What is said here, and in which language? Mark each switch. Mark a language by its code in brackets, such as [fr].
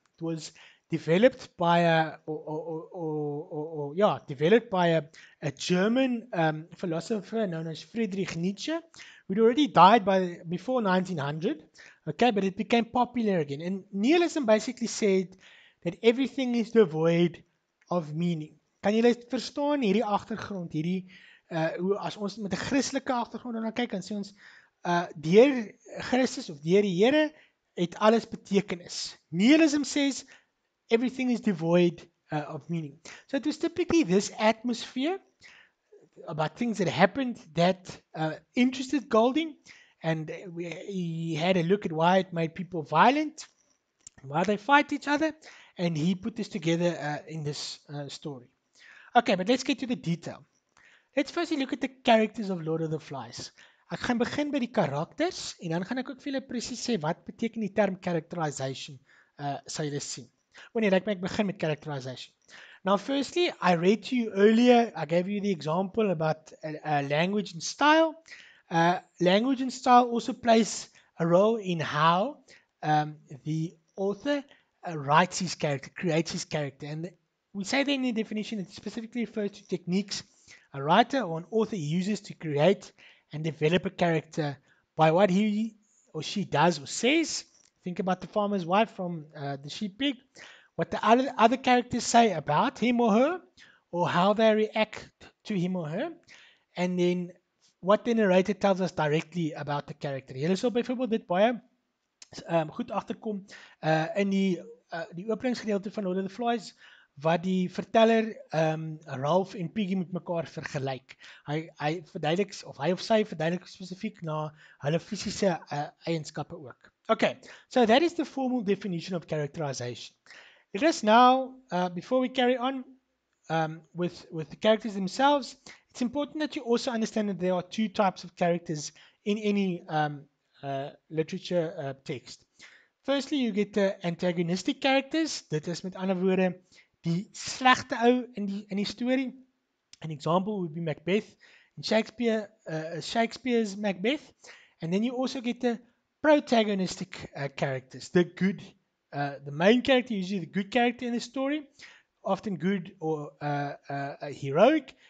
[en] It was developed by a German philosopher known as Friedrich Nietzsche, who'd already died before 1900. Okay, but it became popular again. And nihilism basically said that everything is devoid of meaning. [af] Kan jy verstaan hierdie agtergrond, hierdie hoe as ons met 'n Christelike agtergrond daarna kyk en sê ons deur Christus of deur die Here het alles betekenis. [en] Nihilism says everything is devoid of meaning. So it was typically this atmosphere about things that happened that interested Golding, and he had a look at why it made people violent, why they fight each other. And he put this together in this story. Okay, but let's get to the detail. Let's firstly look at the characters of Lord of the Flies. [af] Ek gaan begin by die karakters, en dan gaan ek ook vir julle presies sê, wat beteken die term characterization, sal julle sien. Wanneer ek begin met characterization. [en] Now, firstly, I read to you earlier, I gave you the example about language and style. Language and style also plays a role in how the author writes his character, creates his character. And we say that in the definition, it specifically refers to techniques a writer or an author uses to create and develop a character by what he or she does or says. Think about the farmer's wife from the sheep pig. What the other characters say about him or her, or how they react to him or her. And then what the narrator tells us directly about the character. [af] Jy sal byvoorbeeld dit baie goed agterkom in die openingsgedeelte van Lord of the Flies, wat die verteller Ralph en Piggy met mekaar vergelyk. Hy of sy verduidelik spesifiek na hulle fisiese eienskappe ook. [en] Okay, so that is the formal definition of characterization. Let us now, before we carry on with the characters themselves, it's important that you also understand that there are two types of characters in any literature text. Firstly, you get the antagonistic characters. [af] Dit is met ander woorde die slegte ou in die story. [en] An example would be Macbeth in Shakespeare's Macbeth. And then you also get the protagonistic characters, the good, the main character, usually the good character in the story, often good or heroic.